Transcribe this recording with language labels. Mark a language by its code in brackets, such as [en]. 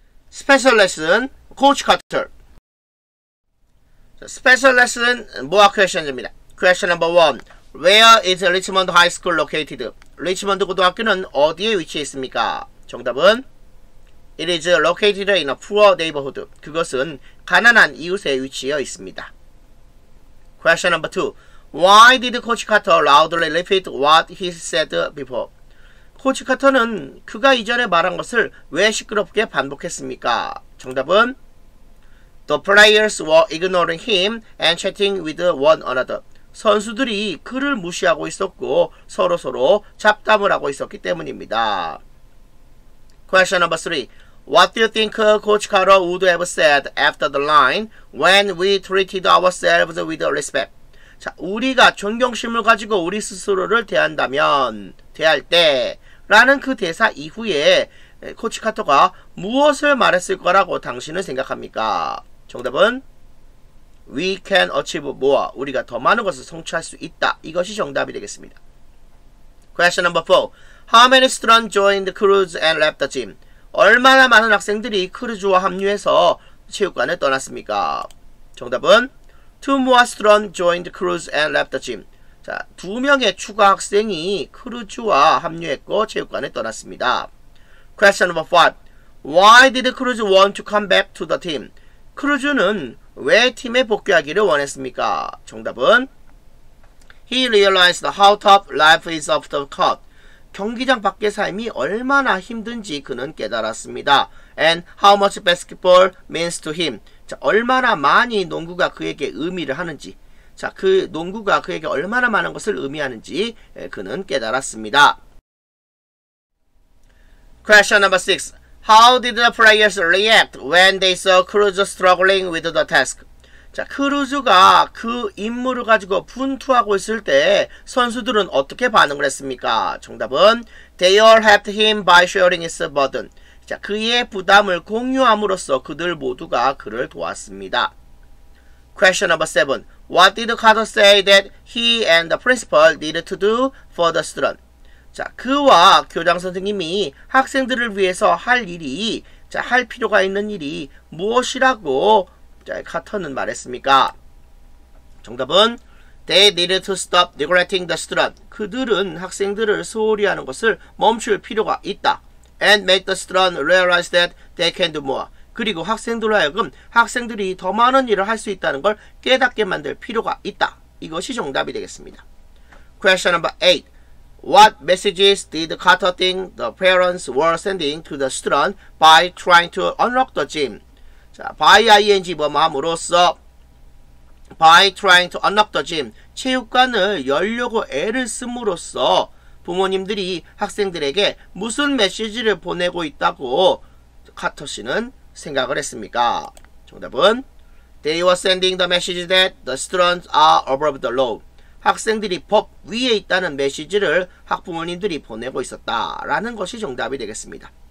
[ko] 스페셜 레슨 코치 카터. 스페셜 레슨 모아 퀘션즈입니다. [en] 퀘션 넘버 1. Where is Richmond High School located? [ko] 리치먼드 고등학교는 어디에 위치해 있습니까? 정답은 [en] It is located in a poor neighborhood. [ko] 그것은 가난한 이웃에 위치해 있습니다. [en] Question number 2. Why did Coach Carter loudly repeat what he said before? [ko] 코치 카터는 그가 이전에 말한 것을 왜 시끄럽게 반복했습니까? 정답은 [en] The players were ignoring him and chatting with one another. [ko] 선수들이 그를 무시하고 있었고 서로서로 잡담을 하고 있었기 때문입니다. [en] Question number 3. What do you think Coach Carter would have said after the line when we treated ourselves with respect? [ko] 자, 우리가 존경심을 가지고 우리 스스로를 대한다면, 대할 때, 라는 그 대사 이후에 코치 카터가 무엇을 말했을 거라고 당신은 생각합니까? 정답은 [en] We can achieve more. [ko] 우리가 더 많은 것을 성취할 수 있다. 이것이 정답이 되겠습니다. [en] Question number 4. How many students joined the cruise and left the gym? [ko] 얼마나 많은 학생들이 크루즈와 합류해서 체육관을 떠났습니까? 정답은 [en] Two more students joined the cruise and left the gym. [ko] 자, 두 명의 추가 학생이 크루즈와 합류했고 체육관에 떠났습니다. [en] Question number 5. Why did Cruz want to come back to the team? [ko] 크루즈는 왜 팀에 복귀하기를 원했습니까? 정답은 [en] He realized how tough life is off the court. [ko] 경기장 밖의 삶이 얼마나 힘든지 그는 깨달았습니다. [en] And how much basketball means to him. [ko] 자, 얼마나 많이 농구가 그에게 의미를 하는지. 자, 그 농구가 그에게 얼마나 많은 것을 의미하는지 그는 깨달았습니다. [en] Question number 6. How did the players react when they saw Cruz struggling with the task? [ko] 자, 크루즈가 그 임무를 가지고 분투하고 있을 때 선수들은 어떻게 반응을 했습니까? 정답은 [en] They all helped him by sharing his burden. [ko] 자, 그의 부담을 공유함으로써 그들 모두가 그를 도왔습니다. [en] Question number 7. What did Carter say that he and the principal needed to do for the student? [ko] 자, 그와 교장 선생님이 학생들을 위해서 할 일이, 자, 할 필요가 있는 일이 무엇이라고, 자, 카터는 말했습니까? 정답은 [en] They needed to stop neglecting the student. [ko] 그들은 학생들을 소홀히 하는 것을 멈출 필요가 있다. [en] And make the student realize that they can do more. [ko] 그리고 학생들로 하여금 학생들이 더 많은 일을 할 수 있다는 걸 깨닫게 만들 필요가 있다. 이것이 정답이 되겠습니다. [en] Question number 8. What messages did Carter think the parents were sending to the student by trying to unlock the gym? 자, by ing [ko] 뭐뭐함으로써 [en] by trying to unlock the gym. [ko] 체육관을 열려고 애를 씀으로써 부모님들이 학생들에게 무슨 메시지를 보내고 있다고 카터 씨는 생각을 했습니까? 정답은 [en] They were sending the message that the students are above the law. [ko] 학생들이 법 위에 있다는 메시지를 학부모님들이 보내고 있었다라는 것이 정답이 되겠습니다.